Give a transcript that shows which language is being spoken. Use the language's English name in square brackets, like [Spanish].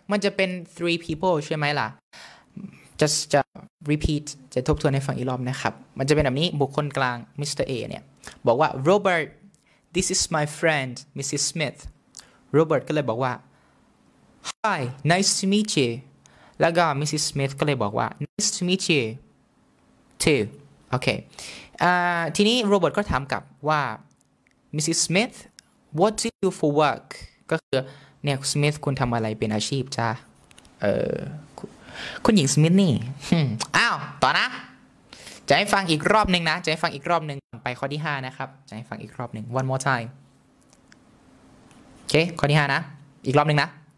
[Thai] มันจะเป็น [English] three people [Thai] ใช่ไหมล่ะ จะ repeat จะทบทวนให้ฟังอีกรอบนะครับมันจะเป็นแบบนี้บุคคลกลาง Mr. [English] A [Thai] เนี่ยบอกว่า [English] Robert, this is my friend Mrs. Smith. Robert [Thai] ก็เลยบอกว่า [English] Hi, nice to meet you. [Thai] แล้วก็ [English] Mrs. Smith [Thai] ก็เลยบอกว่า [English] Nice to meet you too. Okay. ทีนี้ Robert [Thai] ก็ถามกลับว่า [English] Mrs. Smith,What do you do for work? [Thai] ก็คือเนี่ยสมิธคุณทำอะไรเป็นอาชีพจ้าคุณหญิงสมิธนี่อ้าวต่อนะจะให้ฟังอีกรอบหนึ่งนะจะให้ฟังอีกรอบหนึ่งไปข้อที่5นะครับจะให้ฟังอีกรอบหนึ่ง [English] one more time [Thai] โอเคข้อที่5นะอีกรอบหนึ่งนะ